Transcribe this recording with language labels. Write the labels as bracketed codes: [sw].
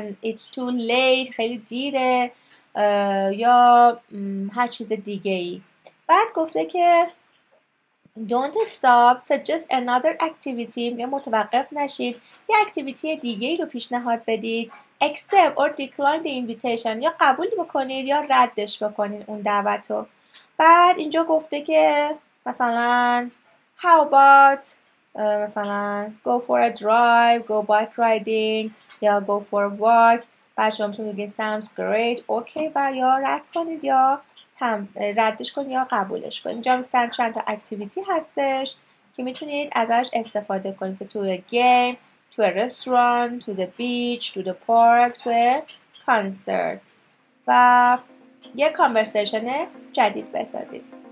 [en] It's too late [fa] خیلی دیره یا هر چیز دیگه ای. بعد گفته که [en] Don't stop, suggest another activity. [fa] یه متوقف نشید. یه اکتیویتی دیگه ای رو پیشنهاد بدید. [en] Accept or decline the invitation. [fa] یا قبول بکنید یا ردش بکنید اون دعوت رو. بعد اینجا گفته که مثلا [en] How about مثلا Go for a drive, go bike riding یا go for a walk. [fa] بعد شما تو میگین [en] Sounds great, okay. [fa] و یا رد کنید یا هم ردش کن یا قبولش کن. اینجا مثلا چند تا اکتیویتی هستش که میتونید ازش استفاده کنید. تو گیم، تو رستوران، تو دی بیچ، تو دی پارک، تو کانسرت و یه کانورسیشن جدید بسازید.